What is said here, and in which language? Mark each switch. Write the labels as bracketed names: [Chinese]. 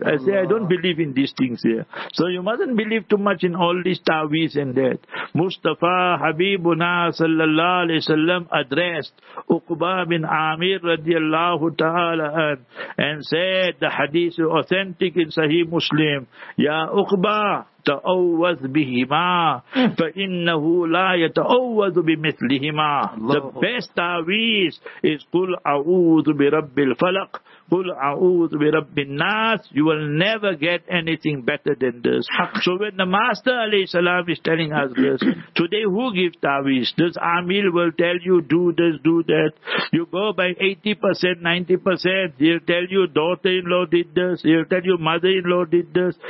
[English] I say, I don't believe in these things here. So you mustn't believe too much in all these ta'weez and that. Mustafa Habibuna Sallallahu Alaihi Wasallam addressed Uqba bin Amir radiallahu ta'ala and said, the hadith is authentic in Sahih Muslim, Ya Uqba, [Arabic] يتأوذ بهما فإنه لا يتأوذ بمثلهما. [English] The best [Arabic] تعويذ is قل أعوذ برب الفلق قل أعوذ برب الناس. [English] You will never get anything better than this. So when the Master عليه السلام is telling us this, today who gives تعويذ? This Amil will tell you do this, do that. You go by 80%, 90%. He'll tell you daughter-in-law did this. He'll tell you mother-in-law did this.